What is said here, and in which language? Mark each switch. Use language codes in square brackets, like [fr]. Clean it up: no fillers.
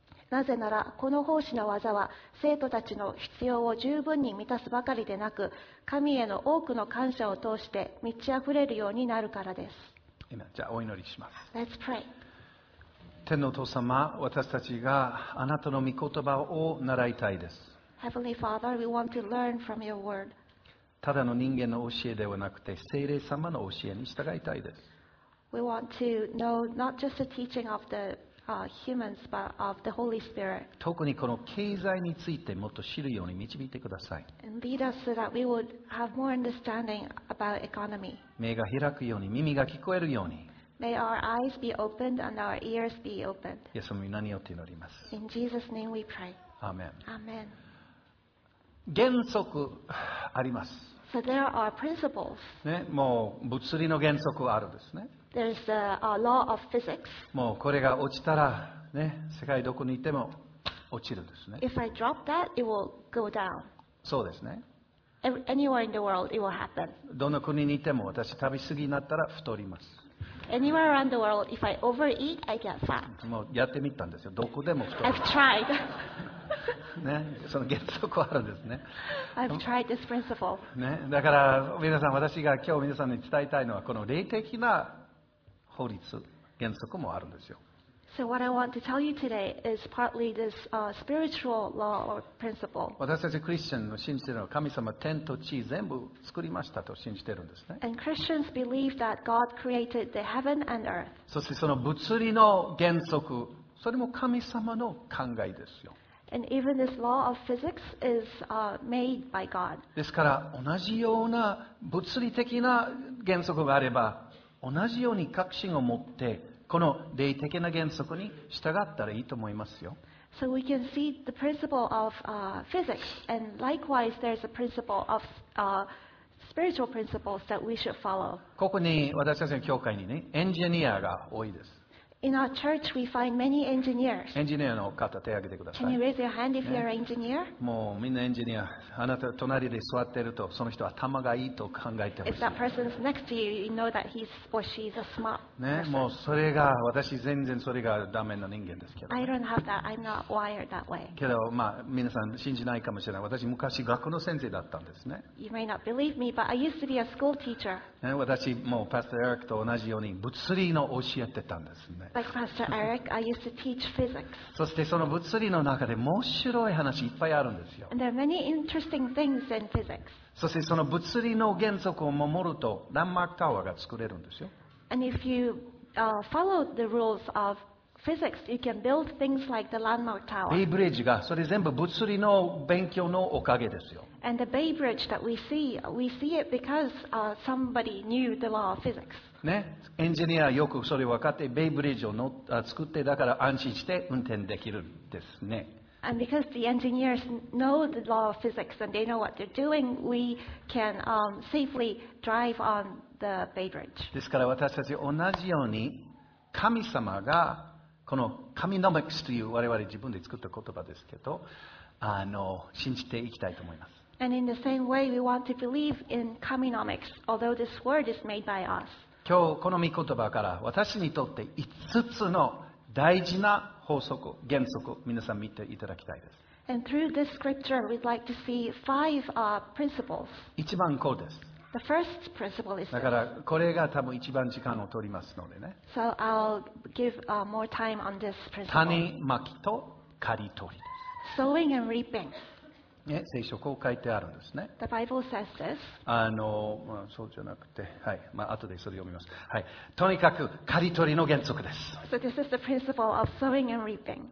[ja] なぜなら、この奉仕の技は生徒たちの必要を十分に満たすばかりでなく、神への多くの感謝を通して満ちあふれるようになるからです。じゃあお祈りします。 [en] Let's pray. [ja] 天のお父様、私たちがあなたの御言葉を習いたいです。 [en] Heavenly Father, we want to learn from your word. [ja] ただの人間の教えではなくて、聖霊様の教えに従いたいです。 [en] We want to know not just the teaching of the humans, but of the Holy Spirit. [ja] 特にこの経済についてもっと知るように導いてください。 [en] And lead us so that we would have more understanding about economy. [ja] 目が開くように、耳が聞こえるように。 [en] May our eyes be opened and our ears be opened. [ja] イエス様の名によって祈ります。 [en] In Jesus' name we pray. Amen. Amen. [ja] 原則あります。 [en] So there are principles. [ja] ね、もう物理の原則はあるですね。 [en] There's the law of physics. [ja] もうこれが落ちたら、ね、世界どこにいても落ちるですね。 [en] If I drop that, it will go down. [ja] そうですね。 [en] Anywhere in the world, it will happen. [ja] どの国にいても私食べ過ぎになったら太ります。 [en] Anywhere around the world, if I overeat, I get fat. [ja] もうやってみたんですよ。どこでも太る。 [en] I've tried. [ja] ね、その原則はあるんですね。 [en] I've tried this principle. [ja] ね、だから皆さん、私が今日皆さんに伝えたいのは、この霊的な法律、原則もあるんですよ。 [en] So what I want to tell you today is partly this spiritual law or principle. [ja] 私たちクリスチャンの信じているのは、神様天と地全部作りましたと信じているんですね。 [en] And Christians believe that God created the heaven and earth. [ja] そしてその物理の原則、それも神様の考えですよ。 [en] And even this law of physics is made by God. [ja] ですから同じような物理的な原則があれば、同じように確信を持ってこの霊的な原則に従ったらいいと思いますよ。 [en] So we can see the principle of physics, and likewise there's a principle of spiritual principles that we should follow. [ja] ここに私たちの教会にね、エンジニアが多いです。 [en] In our church, we find many engineers. [ja] エンジニアの方、手を挙げてください。 [en] Can you raise your hand if you're an engineer? [ja] もうみんなエンジニア、あなた隣で座っていると、その人は頭がいいと考えてほしい。 [en] If that person's next to you, you know that he's or she's a smart person. [ja] ね、もうそれが、私全然それがダメな人間ですけど、ね。 [en] I don't have that. I'm not wired that way. [ja] けど、まあ、皆さん信じないかもしれない。私、昔学校の先生だったんですね。 [en] You may not believe me, but I used to be a school teacher. [ja] ね、私、もうパスタエリックと同じように物理の教えてたんですね。 [en] Like Pastor Eric, I used to teach physics. [ja] そしてその物理の中で面白い話いっぱいあるんですよ。 [en] And there are many interesting things in physics. [ja] そしてその物理の原則を守るとランマークタワーが作れるんですよ。 [en] And if you follow the rules of physics, you can build things like the landmark tower. [ja] ベイブリッジが、それ全部物理の勉強のおかげですよ。 [en] And the Bay Bridge that we see it because somebody knew the law of physics. [ja] ね、エンジニアはよくそれ分かって、ベイブリッジを作って、だから安心して運転できるんですね。 [en] And because the engineers know the law of physics and they know what they're doing, we can safely drive on the Bay Bridge. [ja] ですから私たち同じように、神様がこのカミノミクスという我々自分で作った言葉ですけど、信じていきたいと思います。 [en] And in the same way, we want to believe in Cominomics, although this word is made by us. [ja] 今日この御言葉から私にとって5つの大事な法則、原則、皆さん見ていただきたいです。 [en] And through this scripture, we'd like to see five principles. [ja] 一番こうです。 [en] The first principle is this. [ja] だからこれが多分一番時間を取りますのでね。 [en] So I'll give more time on this principle. [ja] 種まきと刈り取りです。 [en] Sowing and reaping. [ja] ね、聖書こう書いてあるんですね。 [en] The Bible says this. [ja] まあ、そうじゃなくて、はい、まあ後でそれ読みます。はい、とにかく刈り取りの原則です。 [en] So this is the principle of sowing and reaping.